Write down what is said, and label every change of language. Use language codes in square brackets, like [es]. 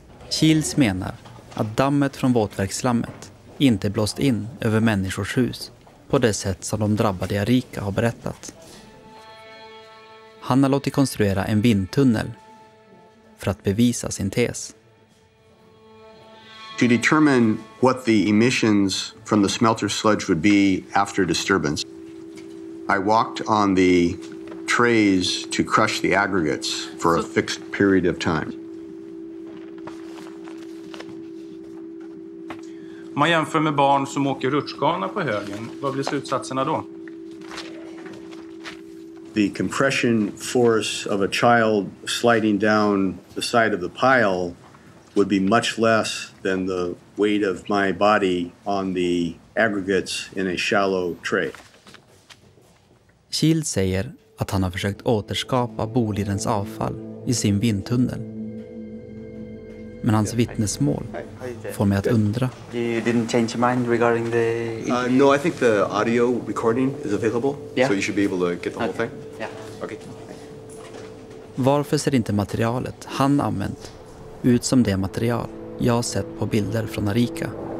[sv] Kils menar att dammet från våtverksslammet inte blåst in över människors hus på det sätt som de drabbade Arica har berättat. Han har låtit konstruera en vindtunnel för att bevisa sin tes. [en] To determine what the emissions from the smelter sludge would be after disturbance, I walked on the trays to crush the aggregates for a fixed period of time. [sv] Om man jämför med barn som åker rutschkana på högen, vad blir slutsatserna då? [en] The compression force of a child sliding down the side of the pile would be much less than the weight of my body on the aggregates in a shallow tray. [sv] Shield säger att han har försökt återskapa Bolidens avfall i sin vindtunnel. Men hans vittnesmål får mig att undra. [en] You didn't change your mind regarding the No, I think the audio recording is available. Yeah. So you should be able to get the whole thing. Yeah. Okay. [sv] Varför ser inte materialet han använt ut som det material jag sett på bilder från Arica?